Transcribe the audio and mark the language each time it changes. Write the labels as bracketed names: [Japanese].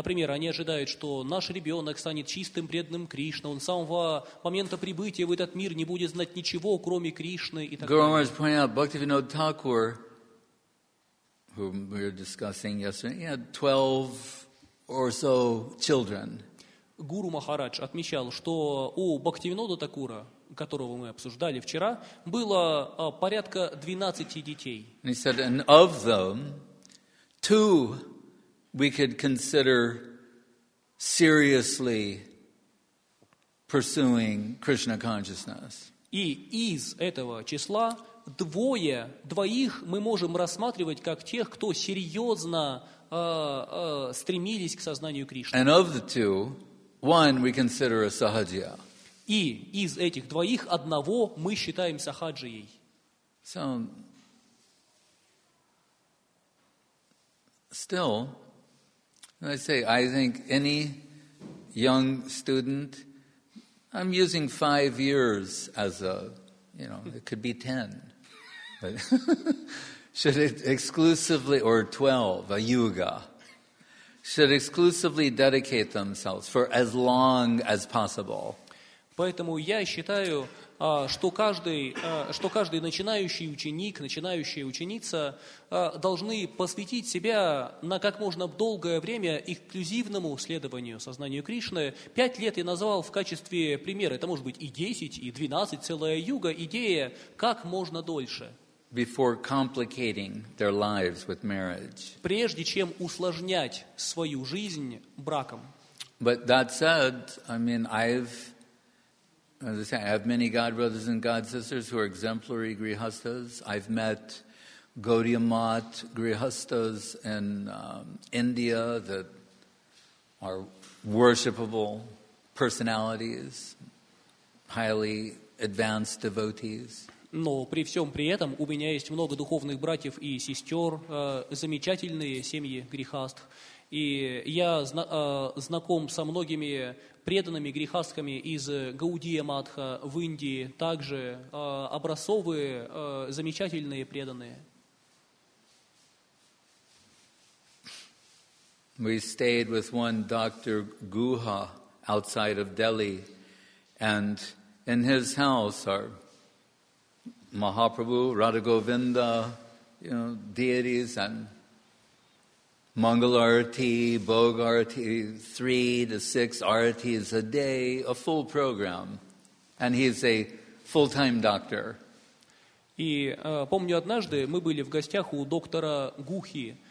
[Russian] Например, они ожидают, что наш ребенок станет чистым, преданным Кришне, он с самого момента прибытия в этот мир не будет знать ничего, кроме Кришны и так далее. [English] Гурумаш pointed out, Bhaktivinod Thakur, whom we were discussing yesterday, he had 12 or so children. [Russian] Гуру Махарадж отмечал, что у Бхактивинода Такура, которого мы обсуждали вчера, было порядка 12 детей. [English] And he said, and of them, two we could consider seriously pursuing Krishna consciousness. [Russian] И из этого числа двоих мы можем рассматривать как тех, кто серьезно стремились к сознанию Кришны. [English] And of the two, one we consider a sahajya. [Russian] И из этих двоих одного мы считаем сахаджией. [English] So, still, I say, I think any young student, I'm using 5 years as a, you know, it could be 10, but should it exclusively, or 12, a yuga, should exclusively dedicate themselves for as long as possible. [Russian] Поэтому я считаю, что каждый начинающий ученик, начинающая ученица должны посвятить себя на как можно долгое время эксклюзивному следованию сознанию Кришны. 5 лет я назвал в качестве примера, это может быть и 10, и 12, целая юга, идея как можно дольше. [English] Before complicating their lives with marriage. [Russian] Прежде чем усложнять свою жизнь браком. [English] But that said, I mean, I have many god brothers and god sisters who are exemplary grihasthas. I've met Gaudiya Math grihasthas in India that are worshipable personalities, highly advanced devotees. [Russian] Но при всем при этом у меня есть много духовных братьев и сестер, замечательные семьи грихаст. И я знаком со многими преданными грихастками из Гаудия Матха в Индии, также образцовые, замечательные преданные. [English] We stayed with one Dr. Guha outside of Delhi, and in his house are Mahaprabhu, Radha Govinda, you know, deities, and Mangalarti, Bogarti, 3 to 6 aratis a day, a full program. And he's a full-time doctor. [Russian] И помню, однажды мы были в гостях у доктора Гухи.